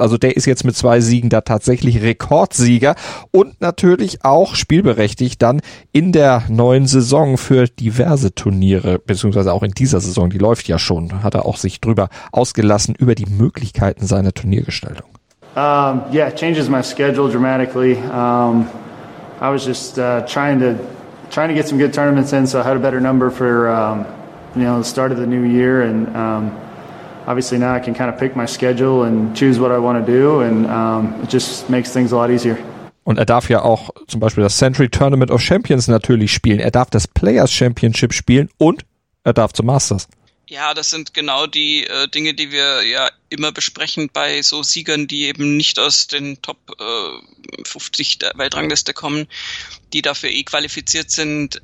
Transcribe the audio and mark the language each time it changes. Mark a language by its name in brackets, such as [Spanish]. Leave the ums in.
[German] Also der ist jetzt mit zwei Siegen da tatsächlich Rekordsieger und natürlich auch auch spielberechtigt dann in der neuen Saison für diverse Turniere, beziehungsweise auch in dieser Saison, die läuft ja schon, hat er auch sich drüber ausgelassen, über die Möglichkeiten seiner Turniergestaltung. [English] Um, yeah, changes my schedule dramatically. Um, I was just uh, trying to trying to get some good tournaments in, so I had a better number for um, you know the start of the new year. And um, obviously now I can kind of pick my schedule and choose what I want to do, and um, it just makes things a lot easier. [German] Und er darf ja auch zum Beispiel das Century Tournament of Champions natürlich spielen. Er darf das Players Championship spielen und er darf zum Masters. Ja, das sind genau die äh, Dinge, die wir ja immer besprechen bei so Siegern, die eben nicht aus den Top äh, 50 der Weltrangliste kommen, die dafür eh qualifiziert sind.